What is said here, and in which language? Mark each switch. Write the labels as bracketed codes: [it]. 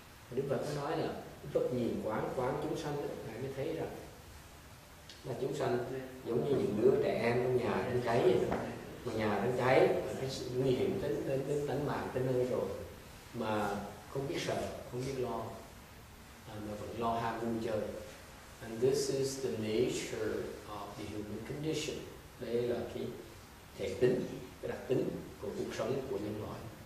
[vi] Đức Phật nói là Đức Phật nhìn quán chúng sanh ấy, ngài mới thấy rằng là chúng sanh giống như những đứa trẻ em trong nhà đang cháy, mà nhà đang cháy nguy hiểm đến tính mạng tới nơi rồi, mà không biết sợ, không biết lo, mà vẫn lo ham vui chơi. [en] And this is the nature of the human condition. [vi] Đây là cái thể tính, cái đặc tính của cuộc sống của nhân loại.